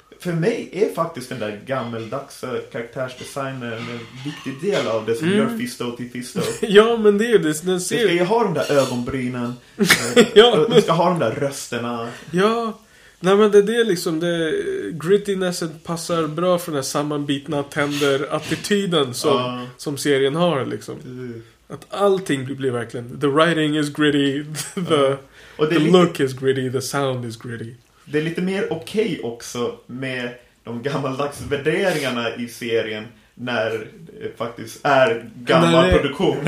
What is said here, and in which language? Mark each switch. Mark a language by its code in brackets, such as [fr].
[sv] för mig är faktiskt den där gammeldags karaktärsdesignen en viktig del av det som gör Fisto till Fisto. Ja, men det är ju det. Den ser... ska ju ha de där ögonbrynen. Ja, men... ska ha de där rösterna. Ja, Nej, men det är liksom det, grittinessen passar bra för den här sammanbitna tänder-attityden som serien har liksom. Att allting blir verkligen, [en] the writing is gritty, the lite, look is gritty, the sound is gritty. [sv] Det är lite mer okej också med de gammaldags värderingarna i serien när det faktiskt är gammal produktion.